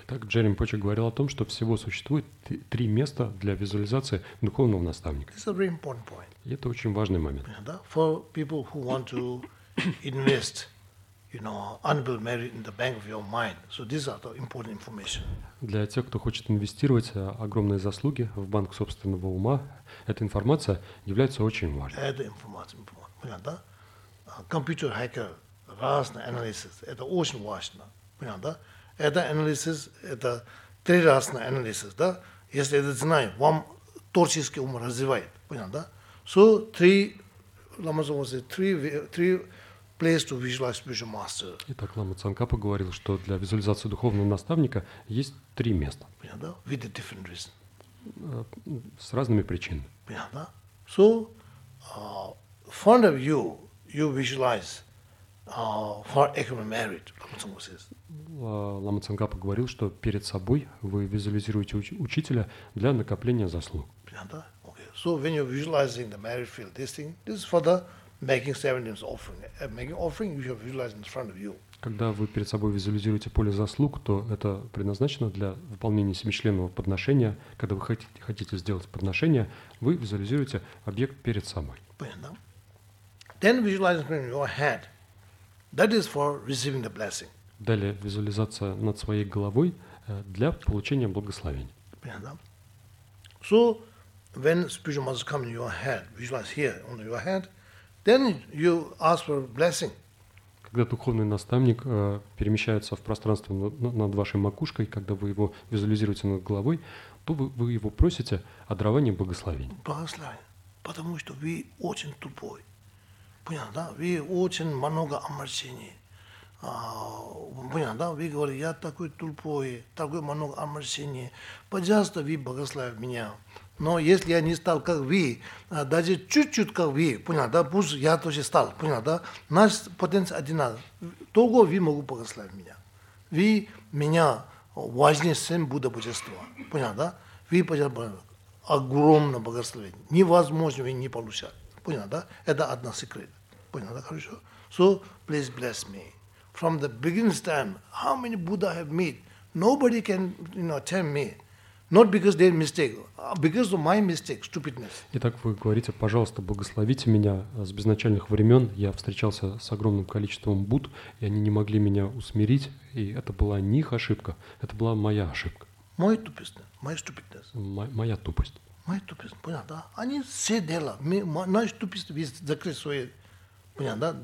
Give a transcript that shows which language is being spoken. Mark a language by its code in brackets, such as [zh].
[ru] Так Джерем Пучи говорил о том, что всего существует три места для визуализации духовного наставника. [en] It's a very important point. [ru] И это очень важный момент. Yeah, да? [en] For people who want to invest, you know, unbuilt merit in the bank of your mind. So these are the important information. [ru] Для тех, кто хочет инвестировать огромные заслуги в банк собственного ума, эта информация является очень важной. Это информация, понятно, да? Компьютер хакер. Разные анализы. Это очень важно. Понятно, да? Это анализы, это три разные анализы, да? Если это знаю, вам творческий ум развивает. Понятно, да? [en] So, three place to visualize spiritual master. [ru] Итак, Лама Цанкапа говорил, что для визуализации духовного наставника есть три места. Понятно, да? [en] With a different reason. [ru] С разными причинами. Понятно, да? [en] So, front of you, you visualize for equal merit, [ru] Лама Цанкапа говорил, что перед собой вы визуализируете учителя для накопления заслуг. [en] Okay. So when you're visualizing the merit field, this is for the making seventeen's offering. Making offering, you have visualized in front of you. [ru] Когда вы перед собой визуализируете поле заслуг, то это предназначено для выполнения семичленного подношения. Когда вы хотите сделать подношение, вы визуализируете объект перед собой. Понятно. [en] Then visualizing in your head. That is for receiving the blessing. [ru] Далее визуализация над своей головой для получения благословения. Понятно? So when spiritual master comes in your head, visualize here on your head, then you ask for blessing. Когда духовный наставник перемещается в пространство над вашей макушкой, когда вы его визуализируете над головой, то вы его просите о даровании благословения. Благословение, потому что вы очень тупой. Понятно, да? Вы очень много омрачений. Понятно, да? Вы говорите, я такой тупой, такой много омрачений. Пожалуйста, вы благослови меня. Но если я не стал, как вы, даже чуть-чуть, как вы, понятно, да? Пусть я тоже стал, понятно, да? Наш потенциал один. Только вы могу благословить меня. Вы меня важнее, чем Будда Божества. Понятно, да? Вы, пожалуйста, огромное благословение. Невозможно вы не получать. Понятно, да? Это одна секрет. Понятно, да? Хорошо? [en] So, please bless me. From the beginning time, how many Buddha I have met, nobody can, you know, tell me. Not because their mistake, because of my mistake, stupidness. [ru] Итак, вы говорите, пожалуйста, благословите меня. С безначальных времен я встречался с огромным количеством Будд, и они не могли меня усмирить, и это была не их ошибка, это была моя ошибка. Моя тупость, моя stupidness. Моя тупость. Моя тупость, понятно, да? Они все дела, наша тупость весь закрыть свои, понятно, да?